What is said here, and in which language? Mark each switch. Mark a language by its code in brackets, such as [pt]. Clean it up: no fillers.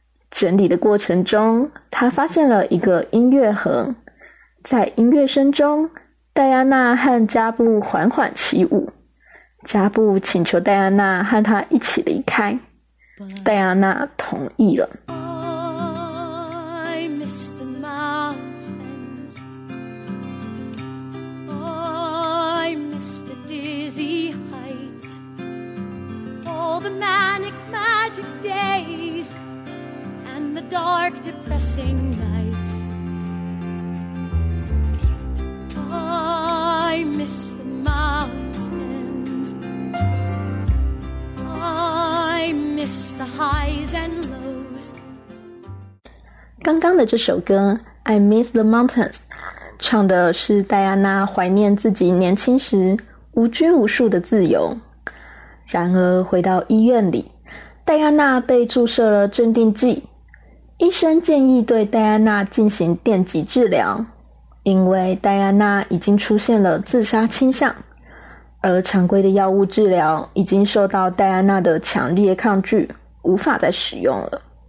[zh] 整理的过程中，他发现了一个音乐盒，在音乐声中，戴安娜和加布缓缓起舞，加布请求戴安娜和他一起离开，戴安娜同意了。 [en] I miss the mountains, I miss the dizzy heights, all the manic magic days and the dark depressing nights. I miss the mountains, I miss the highs and lows. [zh] 刚刚的这首歌 [en] I miss the mountains [zh] 唱的是戴安娜怀念自己年轻时无拘无束的自由。然而回到医院里，戴安娜被注射了镇定剂，医生建议对戴安娜进行电击治疗，因为戴安娜已经出现了自杀倾向，而常规的药物治疗已经受到戴安娜的强烈抗拒，无法再使用了。